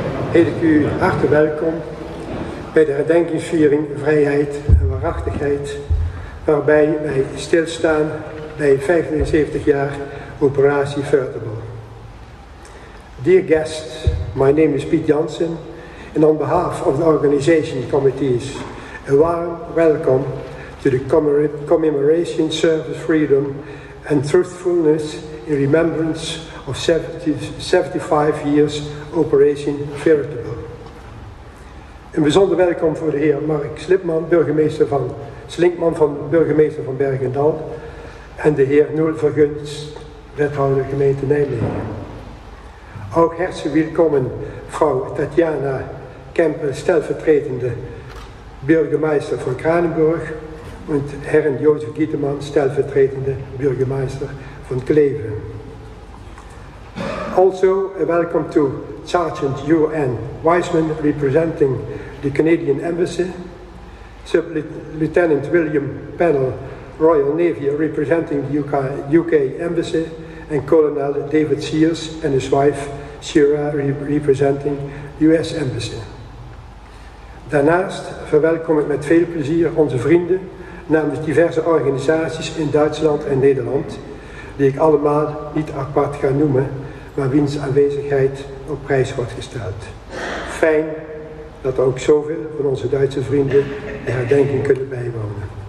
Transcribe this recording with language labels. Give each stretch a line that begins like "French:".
Dutch: heet ik u hartelijk welkom bij de herdenkingsviering Vrijheid en Waarachtigheid, waarbij wij stilstaan bij 75 jaar operatie Furtherbor.
English: Dear guests, my name is Piet Janssen, and on behalf of the organization committees, a warm welcome to the commemoration service freedom and truthfulness in remembrance of 75 years operation Furtherbor.
Dutch: Een bijzonder welkom voor de heer Mark Slipman, burgemeester van Slinkman, van burgemeester van Bergendal, en de heer Noel Verguns, wethouder gemeente Nijmegen. Ook hartelijk welkom mevrouw Tatjana Kempen, stelvertretende burgemeester van Kranenburg, en heren Jozef Gieteman, stelvertretende burgemeester van Kleve.
English: Also, a welcome to Sergeant U.N. Wiseman, representing the Canadian Embassy, Lieutenant William Pennell, Royal Navy, representing the UK Embassy, and Colonel David Sears and his wife, Shira, representing US Embassy.
Dutch: Daarnaast verwelkom ik met veel plezier onze vrienden namens diverse organisaties in Duitsland en Nederland, die ik allemaal niet apart ga noemen, maar wiens aanwezigheid op prijs wordt gesteld. Fijn dat ook zoveel van onze Duitse vrienden de herdenking kunnen bijwonen.